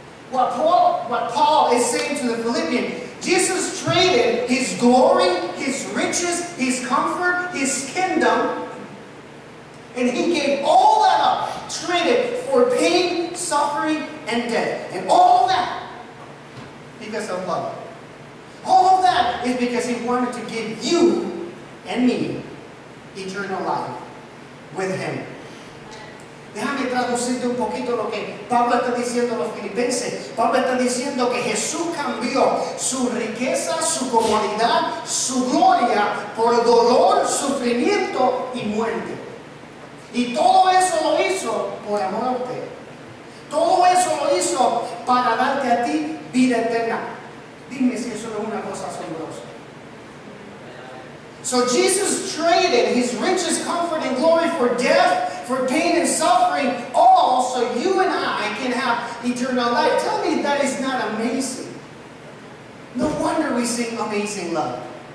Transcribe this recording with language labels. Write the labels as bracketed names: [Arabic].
[English] What Paul is saying to the Philippians, Jesus traded his glory, his riches, his comfort, his kingdom, and he gave all that up, traded for pain, suffering, and death. And all that because of love. All of that is because he wanted to give you and me eternal life with him. [Spanish] Déjame traducirte un poquito lo que Pablo está diciendo a los filipenses. Pablo está diciendo que Jesús cambió su riqueza, su comodidad, su gloria por dolor, sufrimiento y muerte. Y todo eso lo hizo por amor a usted. Todo eso lo hizo para darte a ti vida eterna. Dime si eso no es una cosa asombrosa. [English] So Jesus traded his riches, comfort, and glory for death, for pain and suffering, all so you and I can have eternal life. Tell me that is not amazing. No wonder we sing Amazing Love.